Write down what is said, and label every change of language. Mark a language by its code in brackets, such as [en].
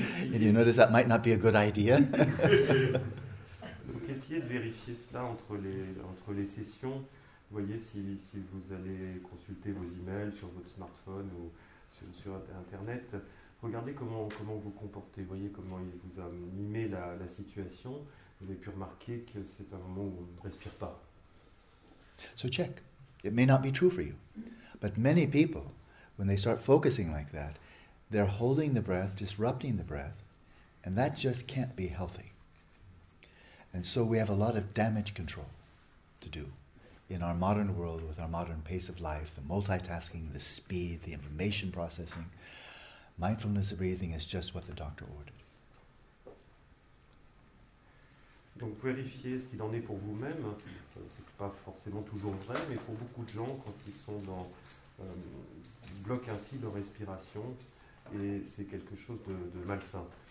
[en] Did you notice that might not be a good idea? [fr] Donc essayez de vérifier cela entre les sessions. Voyez si vous allez consulter vos emails sur votre smartphone ou sur internet. Regardez comment vous comportez. Voyez comment il vous a mimé la situation. Vous avez pu remarquer que c'est un moment où on ne respire pas. [en] So check. It may not be true for you. But many people, when they start focusing like that, they're holding the breath, disrupting the breath, and that just can't be healthy. And so we have a lot of damage control to do in our modern world with our modern pace of life, the multitasking, the speed, the information processing. Mindfulness of breathing is just what the doctor ordered. [fr] Donc vérifiez ce qu'il en est pour vous-même. C'est pas forcément toujours vrai, mais pour beaucoup de gens, quand ils sont dans bloquent ainsi leur respiration, et c'est quelque chose de malsain.